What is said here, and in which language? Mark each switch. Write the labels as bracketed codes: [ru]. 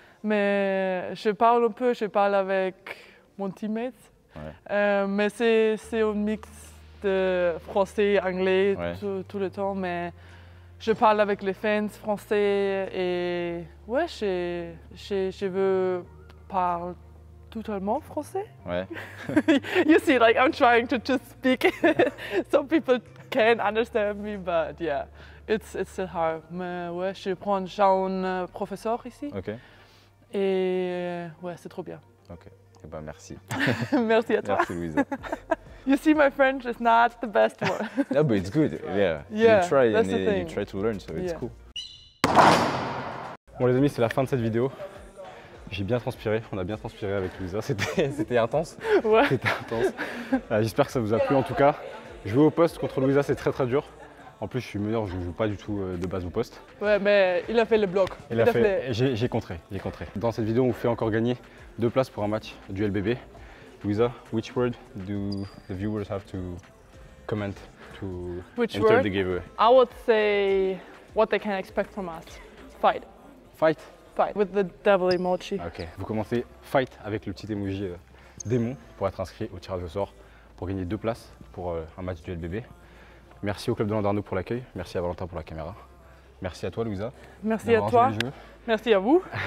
[fr] Mais je parle un peu, je parle avec mon teammate. Ouais. Mais c'est un mix de français, anglais, ouais. tout le temps. Mais je parle avec les fans français et ouais, je veux parler totalement français. Ouais. [en] You see, like I'm trying to just speak so people can understand me, but yeah, it's still hard. [fr] Mais ouais, je prends déjà un professeur ici. Ok. Et ouais, c'est trop bien. Ok. Eh ben merci. Merci à toi. Merci Luisa. [en] You see, my French is not the best one. No, but it's good. Yeah. Yeah. You try and you try to learn, so it's cool. [fr] Bon les amis, c'est la fin de cette vidéo. J'ai bien transpiré, on a bien transpiré avec Luisa, c'était intense. Ouais. C'était intense. J'espère que ça vous a plu en tout cas. Jouer au poste contre Luisa, c'est très très dur. En plus, je suis meneur, je ne joue pas du tout de base au poste. Ouais, mais il a fait le bloc. J'ai contré. Dans cette vidéo, on vous fait encore gagner deux places pour un match du LBB. [en] Luisa, which word do the viewers have to comment to which enter word? The giveaway? I would say what they can expect from us. Fight. Fight? Fight with the devil emoji. [fr] Ok, vous commencez fight avec le petit emoji démon pour être inscrit au tirage au sort pour gagner deux places pour un match du LBB. Merci au club de Landerneau pour l'accueil, merci à Valentin pour la caméra. Merci à toi Luisa. Merci à toi. Merci à vous.